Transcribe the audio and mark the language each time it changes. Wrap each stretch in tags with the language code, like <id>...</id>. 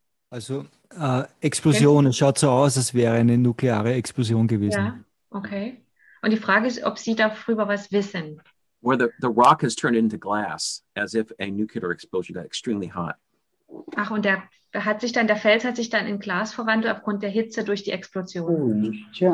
<de>Also Explosion, es schaut so aus, als wäre eine nukleare Explosion gewesen. Ja, okay. Und die Frage ist, ob Sie darüber was wissen.</de> <en>where the rock has turned into glass, as if a nuclear explosion got extremely hot.</en> <de>Ach, und der hat sich dann, der Fels hat sich dann in Glas verwandelt aufgrund der Hitze durch die Explosion.</de>